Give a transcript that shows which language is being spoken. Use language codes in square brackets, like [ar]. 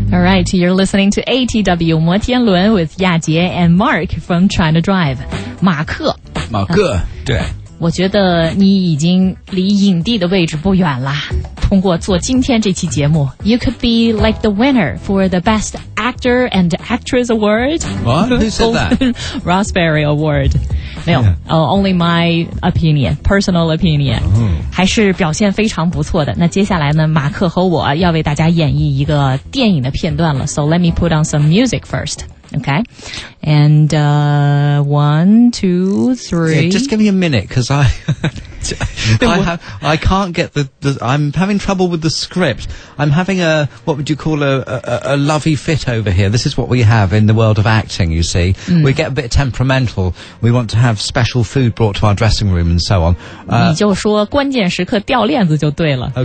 [en] All right, you're listening to ATW 摩天轮 with 亚杰 and Mark from China Drive. [zh] 马克，马克，对，我觉得你已经离影帝的位置不远了。通过做今天这期节目 [en] ，You could be like the winner for the best actor and actress award. What? Who said that? Raspberry Award. [zh] 没有、 [en] only my opinion, personal opinion.、Oh. [zh] 还是表现非常不错的。那接下来呢，马克和我要为大家演绎一个电影的片段了。 [en] So let me put on some music first. Okay, and one, two, three. Yeah, just give me a minute, because I can't get the, I'm having trouble with the script. I'm having a, what would you call a lovey fit over here. This is what we have in the world of acting, you see.、Mm. We get a bit temperamental. We want to have special food brought to our dressing room and so on. [zh] 你就说关键时刻掉链子就对了。